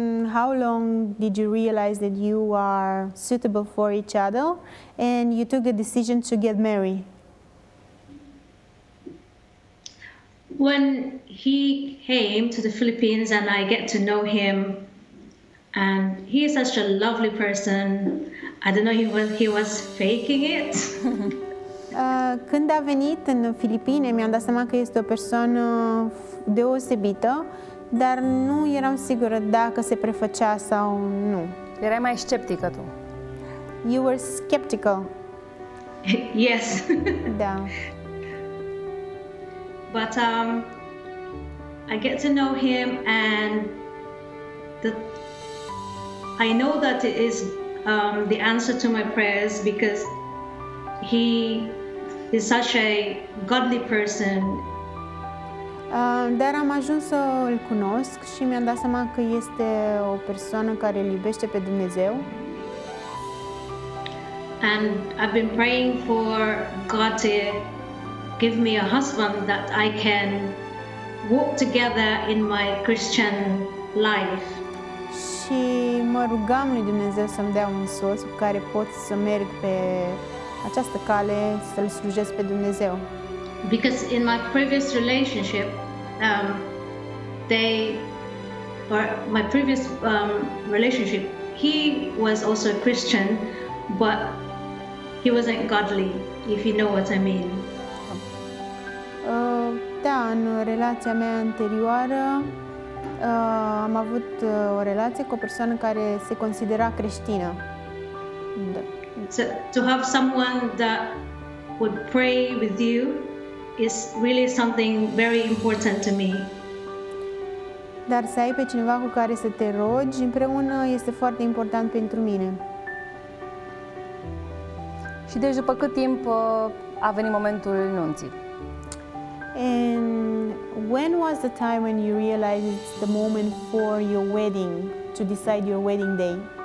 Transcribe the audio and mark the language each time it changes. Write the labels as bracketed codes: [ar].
[en] How long did you realize that you are suitable for each other and you took the decision to get married? When he came to the Philippines and I get to know him, and he is such a lovely person, I don't know if he was faking it. [ro] Când a venit în Filipine, mi-am dat seama că este o persoană deosebită. Dar nu eram sigură dacă se prefăcea sau nu. Erai mai sceptică tu. [en] You were skeptical. Yes. [ro] Da. [en] But I get to know him and I know that it is the answer to my prayers because he is such a godly person. [ro] Dar am ajuns să îl cunosc și mi-am dat seama că este o persoană care îl iubește pe Dumnezeu. [en] And I've been praying for God to give me a husband that I can walk together in my Christian life. [ro] Și mă rugam lui Dumnezeu să-mi dea un soț cu care pot să merg pe această cale să-l slujesc pe Dumnezeu. [en] Because in my previous relationship, he was also a Christian, but he wasn't godly, if you know what I mean. [ro] Da, în relația mea anterioară, am avut o relație cu o persoană care se considera creștină. [en] So, to have someone that would pray with you. is really something very important to me. [ro] Dar să ai pe cineva cu care să te rogi împreună este foarte important pentru mine. Și deci după cât timp a venit momentul nunții? [en] And when was the time when you realized it's the moment for your wedding, to decide your wedding day?